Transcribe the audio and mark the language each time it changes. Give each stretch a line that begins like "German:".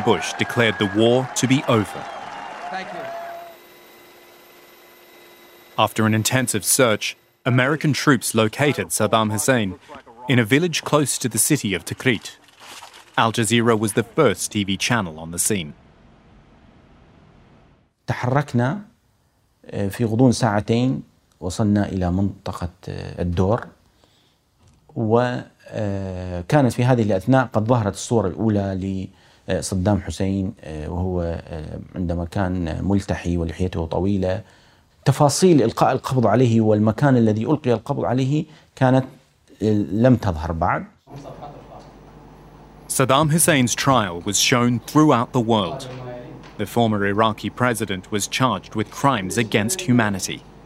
English: Bush declared the war to be over. Thank you. After an intensive search, American troops located Saddam Hussein in a village close to the city of Tikrit. Al Jazeera was the first TV channel on the scene.
Arabic: تحركنا في غضون ساعتين وصلنا إلى منطقة الدور وكانت في هذه الأثناء قد ظهرت الصورة الأولى لصدام حسين وهو عندما كان ملتحي ولحيته طويلة. تفاصيل إلقاء القبض عليه والمكان الذي ألقي القبض عليه كانت لم تظهر بعد.
English: Saddam Hussein's trial was shown throughout the world. The former Iraqi president was charged with crimes against humanity.